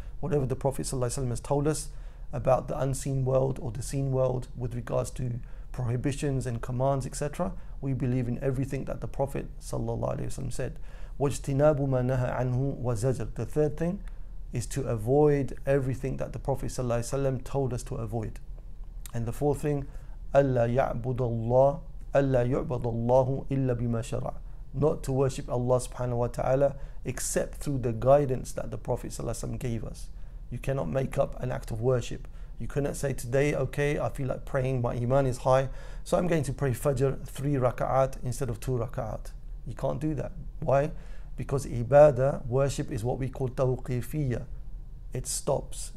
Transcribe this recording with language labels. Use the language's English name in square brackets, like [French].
[English] Whatever the Prophet ﷺ has told us about the unseen world or the seen world with regards to prohibitions and commands, etc., we believe in everything that the Prophet ﷺ said. [Arabic] وَاجْتِنَابُ مَا نَهَا عَنْهُ وَزَجَرُ. [English] The third thing is to avoid everything that the Prophet ﷺ told us to avoid. And the fourth thing, [Arabic] أَلَّا يُعْبَدَ اللَّهُ إِلَّا بِمَا شَرَعَ. [English] Not to worship Allah subhanahu wa ta'ala except through the guidance that the Prophet ﷺ gave us. You cannot make up an act of worship. You cannot say today, okay, I feel like praying, my iman is high, so I'm going to pray Fajr 3 raka'at instead of 2 raka'at. You can't do that. Why? Because ibadah, worship, is what we call tawqifiyah. It stops.